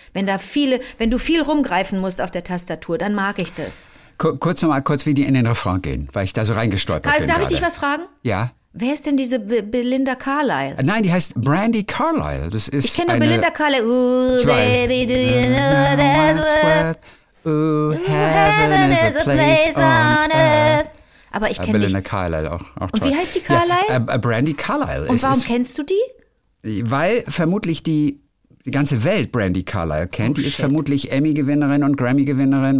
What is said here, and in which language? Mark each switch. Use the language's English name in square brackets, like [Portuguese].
[German] Wenn du viel rumgreifen musst auf der Tastatur, dann mag ich das. Kurz nochmal, wie die in den Refrain gehen, weil ich da so reingestolpert bin. Darf ich dich was fragen? Ja. Wer ist denn diese Belinda Carlile? Nein, die heißt Brandy Carlile. Ich kenne nur Belinda Carlile. [English] Ooh, baby, do you know that word? Ooh, heaven is a place on earth. [German] Aber ich kenne Belinda Carlisle auch toll. Und wie heißt die Carlisle? Ja, Brandy Carlisle. Und warum kennst du die? Weil vermutlich die ganze Welt Brandy Carlisle kennt. Oh, die ist vermutlich Emmy-Gewinnerin und Grammy-Gewinnerin.